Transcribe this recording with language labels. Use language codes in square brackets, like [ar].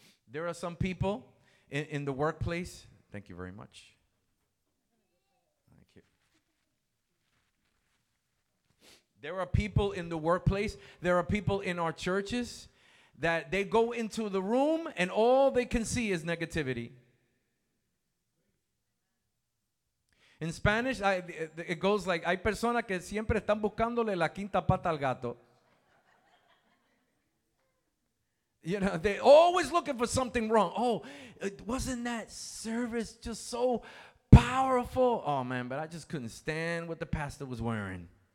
[en] There are some people in the workplace. Thank you very much. Thank you. There are people in the workplace. There are people in our churches that they go into the room and all they can see is negativity. In Spanish, it goes like, [es] hay personas que siempre están buscándole la quinta pata al gato. [en] You know, they're always looking for something wrong. Oh, wasn't that service just so powerful? Oh, man, but I just couldn't stand what the pastor was wearing.